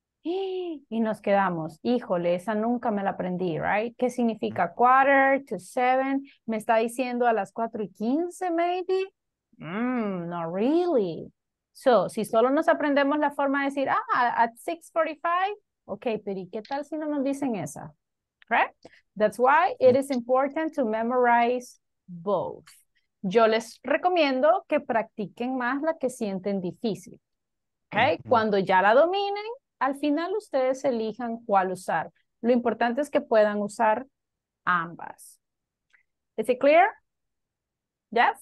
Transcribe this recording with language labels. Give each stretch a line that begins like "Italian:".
Spanish: Y nos quedamos, híjole, esa nunca me la aprendí, right? ¿Qué significa 6:45? ¿Me está diciendo a las 4:15, maybe?
English: Not really.
Spanish: So, si solo nos aprendemos la forma de decir, ah,
English: at 6:45,
Spanish: okay, pero ¿qué tal si no nos dicen esa?
English: Right? That's why it is important to memorize both.
Spanish: Yo les recomiendo que practiquen más la que sienten difícil. Okay? Cuando ya la dominen, al final ustedes elijan cuál usar. Lo importante es que puedan usar ambas.
English: Is it clear? Yes?